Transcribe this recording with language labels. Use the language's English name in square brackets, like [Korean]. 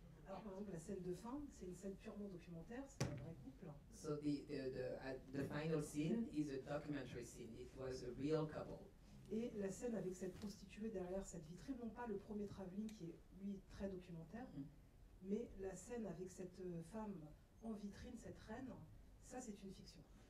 [French] Alors par exemple, la scène de fin, c'est une scène purement documentaire, c'est un vrai couple. [English] So the final scene is a documentary scene. It was a real couple. [French] Et la scène avec cette prostituée derrière cette vitrine, non pas le premier travelling qui est lui très documentaire, mais la scène avec cette femme en vitrine, cette reine, ça c'est une fiction.